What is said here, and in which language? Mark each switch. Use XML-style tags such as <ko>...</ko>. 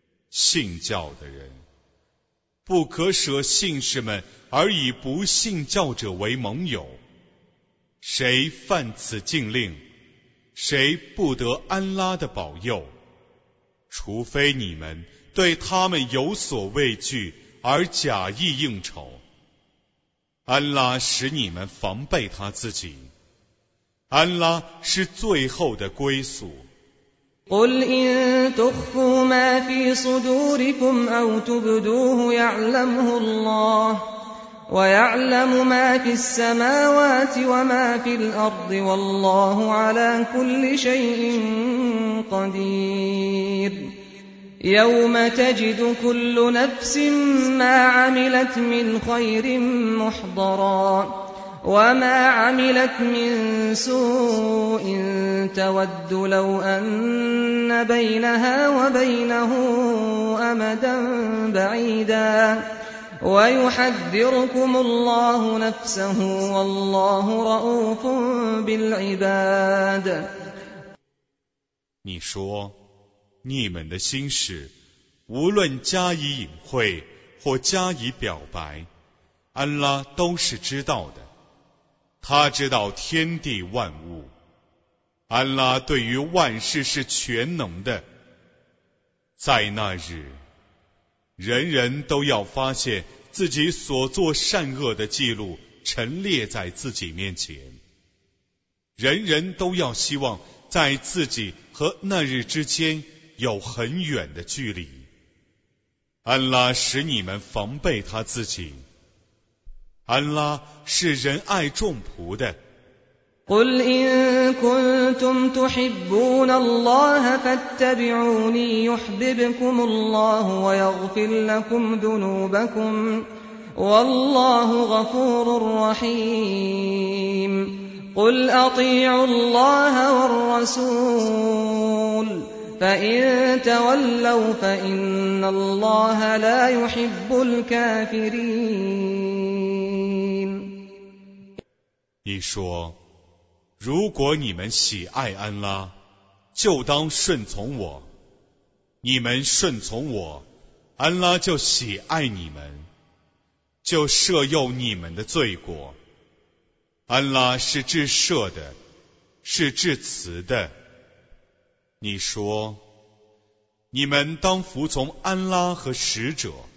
<zh>信教的人不可舍信士们而以不信教者为盟友，谁犯此禁令谁不得安拉的保佑，除非你们对他们有所畏惧而假意应酬，安拉使你们防备他自己，安拉是最后的归宿。</zh> <ar>قل إن تخفوا ما في صدوركم أو تبدوه يعلمه الله ويعلم ما في السماوات وما في الأرض والله على كل شيء قدير يوم تجد كل نفس ما عملت من خير محضرا وما عملت من سوء تود لو أن بينها وبينه أمدا بعيدا ويحذركم الله نفسه والله رؤوف بالعباد</ar> <zh>你说你们的心事无论加以隐晦或加以表白，安拉都是知道的，他知道天地万物，安拉对于万事是全能的。在那日人人都要发现自己所做善恶的记录陈列在自己面前，人人都要希望在自己和那日之间有很远的距离。安拉使你们防备他自己，安拉是仁爱众仆的。</zh> <ar>قل إن كنتم تحبون الله فاتبعوني يحببكم الله ويغفر لكم ذنوبكم والله غفور رحيم قل أطيعوا الله والرسول فإن تولوا فإن الله لا يحب الكافرين</ar> <zh>你说如果你们喜爱安拉就当顺从我你们顺从我安拉就喜爱你们就赦宥你们的罪过安拉是至赦的是至慈的你说你们当服从安拉和使者</zh>